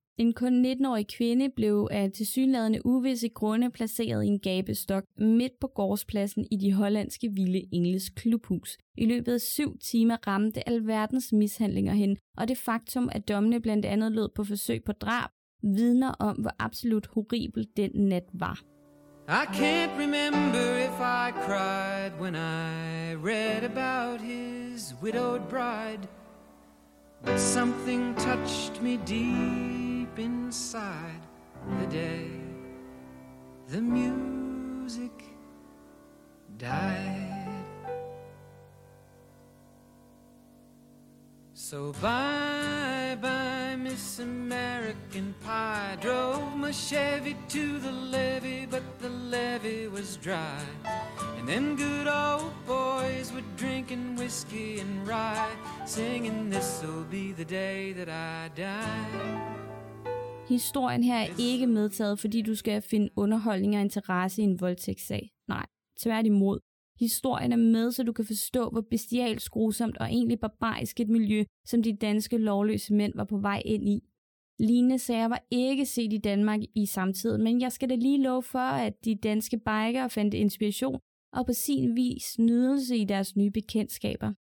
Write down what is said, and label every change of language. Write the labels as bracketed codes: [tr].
[da] En kun 19-årig kvinde blev af tilsyneladende uvisse grunde placeret i en gabestok midt på gårdspladsen i de hollandske vilde engles klubhus. I løbet af 7 timer ramte alverdens mishandlinger hende, og det faktum, at dommene blandt andet lød på forsøg på drab, vidner om, hvor absolut horribel den nat var. [en] I can't remember if I cried when I read about his widowed bride, but something touched me deep inside the day the music died. So bye bye, Miss American Pie. Drove my Chevy to the levee, but the levee was dry. And them good old boys were drinking whiskey and rye, singing this'll be the day that I die. [da] Historien her er ikke medtaget, fordi du skal finde underholdning og interesse i en voldtægtssag. Nej, tværtimod. Historien er med, så du kan forstå, hvor bestialsk, grusomt og egentlig barbarisk et miljø, som de danske lovløse mænd var på vej ind i. Lignende sager var ikke set i Danmark i samtiden, men jeg skal da lige love for, at de danske bikere fandt inspiration og på sin vis nydelse i deres nye bekendtskaber.